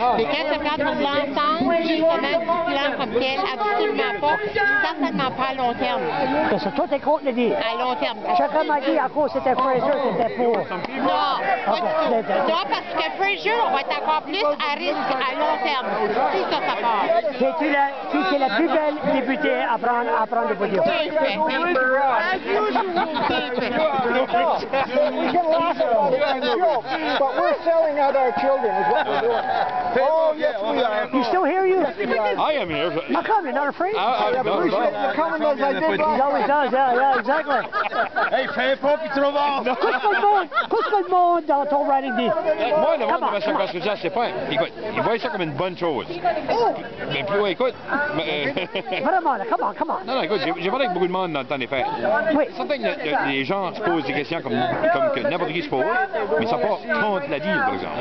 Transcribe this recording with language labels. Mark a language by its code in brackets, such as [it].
[fr] Mais quand tu regardes pour l'ensemble, justement, du plan comme tel, absolument pas, certainement pas à long terme. Parce que toi, t'es contre le deal. À long terme. Chacun m'a dit, à court, c'était Fraser, c'était pour. Non, parce que Fraser, on va être encore plus à risque à long terme. Si ça, ça part. C'est la plus belle députée à prendre le podium. [en] We can laugh about it and joke, but we're selling out our children is what we're doing. Oh, yes, we are. He still here? I am here. How come? You're not afraid? I appreciate you coming as I did last. He always does, yeah, exactly. [fr] Hey, fais pas, puis trop fort. Qu'est-ce que le monde dans ton writing dit? Moi, le monde de Monsieur Gascogia, c'est pas. Écoute, il voit ça comme une bonne chose. Mais puis, écoute. Vraiment, là, [en] come on. [fr] Non, écoute, j'ai parlé avec beaucoup de monde dans le temps des fêtes. Oui. C'est certain que les gens se posent des questions comme que n'importe qui se pose, mais ça part contre la deal, par exemple.